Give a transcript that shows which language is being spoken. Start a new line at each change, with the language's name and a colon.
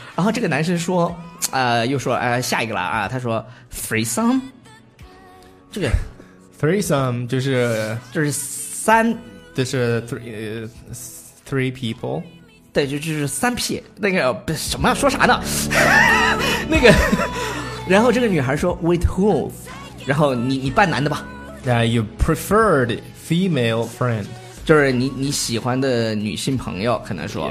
Chinese: 然后这个男生说，又说，下一个了啊。他说 ，
English: threesome，
Chinese: 这个 threesome 就是三，这是
English: three people。
Chinese: 对，就是三 P 那个什么说啥呢？那个，然后这个女孩说 ，
English: With who？
Chinese: 然后你扮男的吧。
English: You preferred female friend，
Chinese: 就是你喜欢的女性朋友，可能说